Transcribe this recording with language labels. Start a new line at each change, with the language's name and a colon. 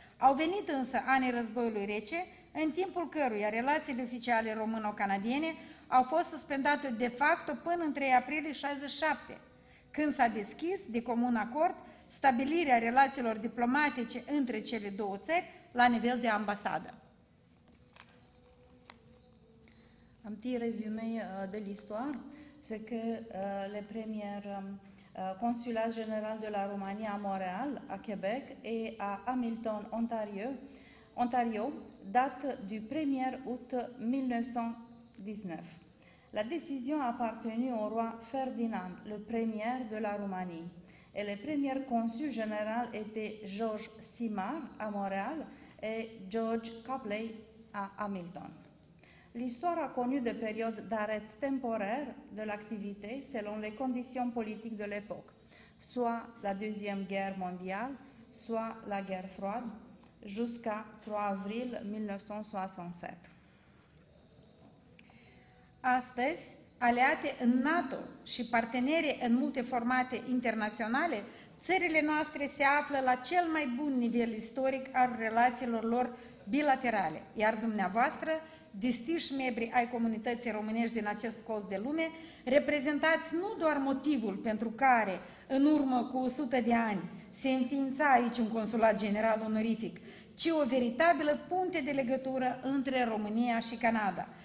Romanian: Au venit însă anii războiului rece, în timpul căruia relațiile oficiale româno-canadiene au fost suspendate de facto până în 3 aprilie 67. Când s-a deschis, de comun acord, stabilirea relațiilor diplomatice între cele două țări la nivel de ambasadă.
French: Un petit résumé de l'histoire, c'est que le premier consulat général de la Roumanie à Montréal, à Québec et à Hamilton, Ontario, date du 1er août 1919. La décision a appartenu au roi Ferdinand, le premier de la Roumanie. Et le premier consul général était George Simard à Montréal et George Copley à Hamilton. L'histoire a connu des périodes d'arrêt temporaire de l'activité selon les conditions politiques de l'époque, soit la Deuxième Guerre mondiale, soit la Guerre froide, jusqu'à 3 avril 1967.
Romanian: Astăzi, aliate în NATO și parteneri în multe formate internaționale, țările noastre se află la cel mai bun nivel istoric al relațiilor lor bilaterale, iar dumneavoastră, distinși membri ai comunității românești din acest colț de lume, reprezentați nu doar motivul pentru care, în urmă cu 100 de ani, se înființa aici un consulat general onorific, ci o veritabilă punte de legătură între România și Canada.